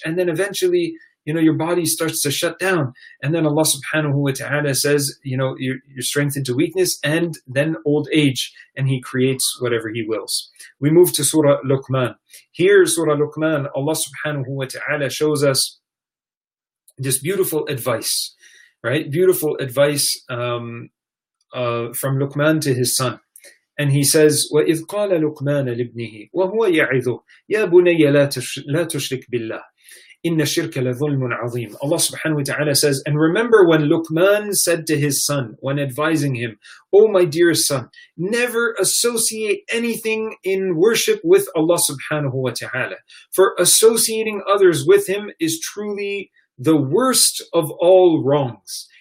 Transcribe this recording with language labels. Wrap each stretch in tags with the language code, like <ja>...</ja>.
<en>And then eventually, you know, your body starts to shut down. And then Allah subhanahu wa ta'ala says, you know, your strength into weakness and then old age. And he creates whatever he wills. We move to Surah Luqman. Here, Surah Luqman, Allah subhanahu wa ta'ala shows us this beautiful advice, right? Beautiful advice from Luqman to his son.</en> <ar>And he says, وَإِذْ قَالَ لُقْمَانَ لِبْنِهِ وَهُوَ يَعِذُ يَا بُنَيَّ لَا تُشْرِكْ بِاللَّهِ إِنَّ شِرْكَ لَظُلْمٌ عَظِيمٌ.</ar> <en>Allah subhanahu wa ta'ala says, and remember when Luqman said to his son, when advising him, oh my dearest son, never associate anything in worship with Allah subhanahu wa ta'ala. For associating others with him is truly the worst of all wrongs.</en>